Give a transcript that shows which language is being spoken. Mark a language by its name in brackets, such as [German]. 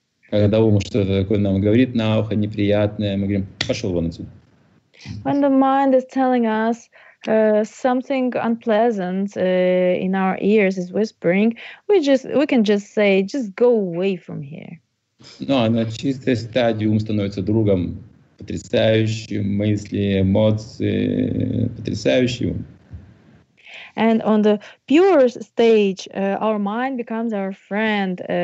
[Russian] Когда ум что-то такое нам говорит на ухо неприятное, мы говорим: пошел вон отсюда. [English] When the mind is telling us something unpleasant in our ears, is whispering, we can just say, just go away from here. [Russian] Но на чистой стадии ум становится другом. Потрясающие мысли, эмоции, потрясающие. [English] And on the pure stage, our mind becomes our friend.